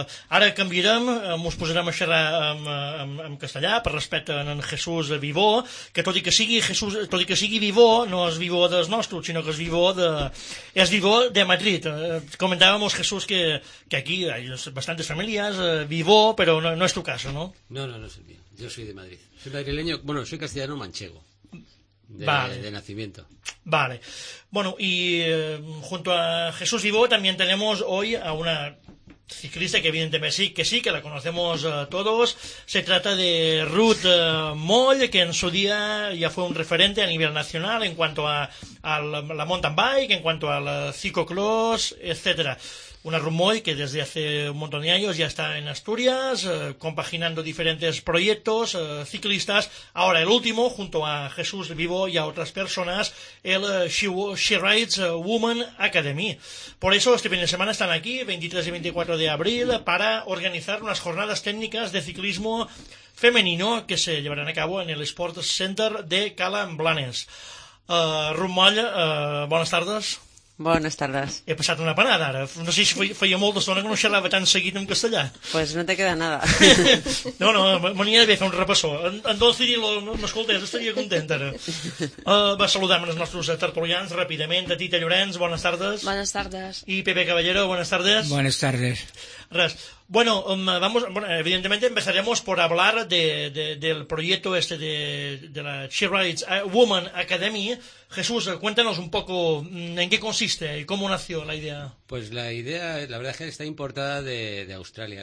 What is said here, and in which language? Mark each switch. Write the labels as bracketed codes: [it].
[ca] Ara canviarem, ens posarem a xerrar en castellà, per respecte a en Jesús Vivó, que tot i que sigui Jesús, tot i que sigui Vivó, no és Vivó dels nostres, sinó que és Vivó de Madrid. Comentàvem, Jesús, que aquí hi ha bastantes famílies, Vivó, però no és tu cas, no? [es] No, és el mío. Yo soy de Madrid. Soy madrileño, bueno, soy castellano manchego. De nacimiento. Vale. Bueno, y junto a Jesús Vivó también tenemos hoy a una ciclista que evidentemente sí que la conocemos todos. Se trata de Ruth Moll, que en su día ya fue un referente a nivel nacional en cuanto a la mountain bike, en cuanto al ciclocross, etcétera. Una Ruth Moll que desde hace un montón de años ya está en Asturias, compaginando diferentes proyectos ciclistas. Ahora el último, junto a Jesús Vivo y a otras personas, el She Rides Woman Academy. Por eso este fin de semana están aquí, 23 y 24 de abril, para organizar unas jornadas técnicas de ciclismo femenino que se llevarán a cabo en el Sports Center de Cala en Blanes. Ruth Moll, buenas tardes. [ca] Bones tardes. He passat una panada ara. No sé si feia molta estona que no xerrava tan seguit en castellà. [es] Pues no te queda nada. [ca] No, m'anirà bé fer un repassó. En Dolce Dilo, m'escoltés, estaria content ara. Va saludar-me els nostres tertulians ràpidament. A Tita Llorenç, bones tardes. Bones tardes. I Pepe Caballero, bones tardes. Bones tardes. Res. [es] Bueno, evidentemente empezaremos por hablar del proyecto este de la She Rides Woman Academy. Jesús, cuéntanos un poco en qué consiste y cómo nació la idea. Pues la idea, la verdad es que está importada de Australia.